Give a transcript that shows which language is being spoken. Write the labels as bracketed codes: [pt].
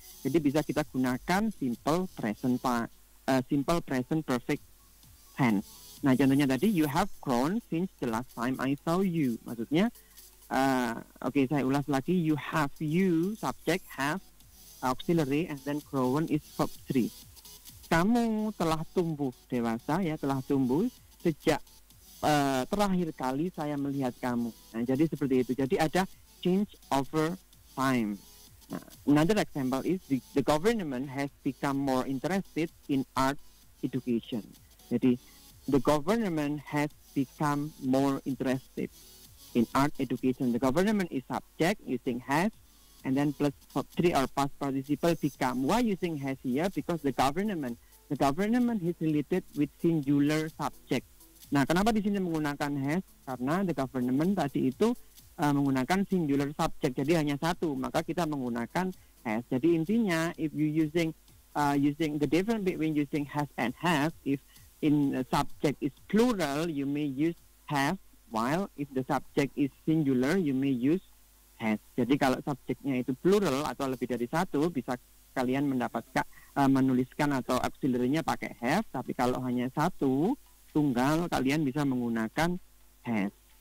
[id] Jadi bisa kita gunakan simple present perfect tense. Nah, contohnya tadi, [en] you have grown since the last time I saw you. [id] Maksudnya, saya ulas lagi, [en] you subject have auxiliary, and then grown is verb 3. [id] Kamu telah tumbuh dewasa ya, telah tumbuh sejak terakhir kali saya melihat kamu. Nah, jadi seperti itu. Jadi ada [en] change over time. Nah, another example is the government has become more interested in art education. Jadi the government has become more interested in art education. The government is subject using has, and then plus three or past participle become. Why using has here? Because the government is related with singular subject. [id] Nah, kenapa di sini menggunakan has? Karena [en] the government [id] tadi itu menggunakan singular subject, jadi hanya satu, maka kita menggunakan has. Jadi intinya, [en] if you using the difference between using has and have, if in subject is plural, you may use have, while if the subject is singular, you may use has. [id] Jadi kalau subjeknya itu plural atau lebih dari satu, bisa kalian mendapatkan menuliskan atau auxiliary-nya pakai have, tapi kalau hanya satu tunggal, kalian bisa menggunakan has.